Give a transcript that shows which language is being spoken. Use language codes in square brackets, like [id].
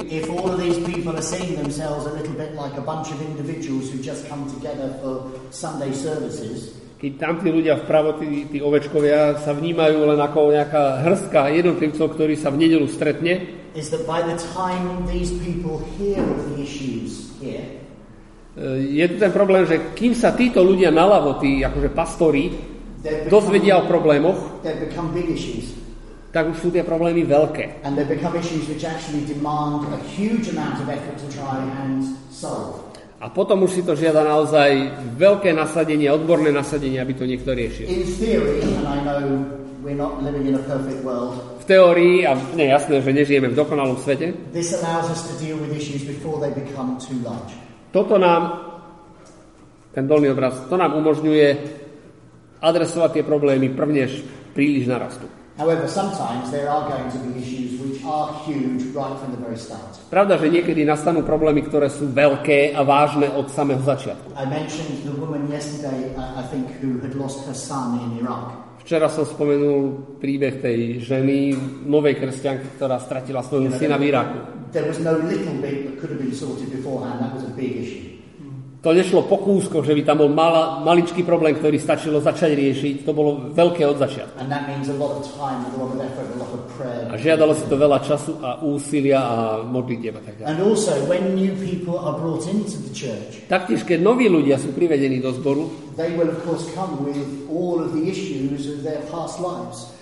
[en] If all of these people are seeing themselves a little bit like a bunch of individuals who just come together for Sunday services. [sk] Keď tamtí ľudia vpravo, tí ovečkovia sa vnímajú len ako nejaká hrstka jednotlivcov, ktorí sa v nedeľu stretne. [en] Is that by the time these people hear of the issues here? [sk] Je tu ten problém, že kým sa títo ľudia naľavo, tí akože pastori, dozvedia o problémoch, [en] they've become big issues. [sk] Tak už sú tie problémy veľké. [en] And they become issues which actually demand a huge amount of effort to try and solve. [sk] A potom už si to žiada naozaj veľké nasadenie, odborné nasadenie, aby to niekto riešil. [en] In theory, and I know we're not living in a perfect world. [sk] V teórii, a nie, jasné, že nežijeme v dokonalom svete. [en] This allows us to deal with issues before they become too large. [sk] Toto nám, ten dolný obraz, to nám umožňuje adresovať tie problémy prvnež príliš narastu. [en] However, sometimes there are going to be issues which are huge right from the very start. [sk] Pravda, že niekedy nastanú problémy, ktoré sú veľké a vážne od samého začiatku. [en] I mentioned the woman yesterday, I think, who had lost her son in Iraq. [sk] Včera som spomenul príbeh tej ženy, novej kresťanky, ktorá stratila svojho syna v Iraku. [en] There was no little bit that could have been sorted beforehand. That was a big issue. [sk] To nešlo po kúskoch, že by tam bol maličký problém, ktorý stačilo začať riešiť. To bolo veľké od začiatku. [en] And that means a lot of time, a lot of effort, a lot of prayer. [sk] A žiadalo si to veľa času a úsilia a modlitieb a tak ďalej. [en] And also, when new people are brought into the church, [sk] taktiež, keď noví ľudia sú privedení do zboru, [en] they will of course come with all of the issues of their past lives.